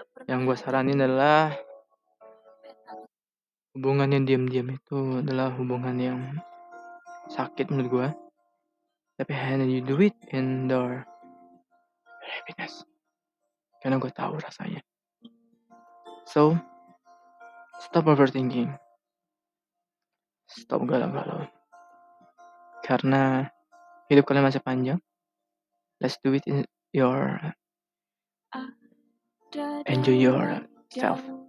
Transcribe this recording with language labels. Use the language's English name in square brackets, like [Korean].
[Indonesian] Yang gue saranin adalah hubungan yang diam-diam itu adalah hubungan yang sakit menurut gue. [English] Tapi how you do it in your happiness. [Indonesian] Karena gue tahu rasanya. [English] So, stop overthinking. [Indonesian] Stop galau-galau. Karena hidup kalian masih panjang. [English] Let's do it in your enjoy yourself.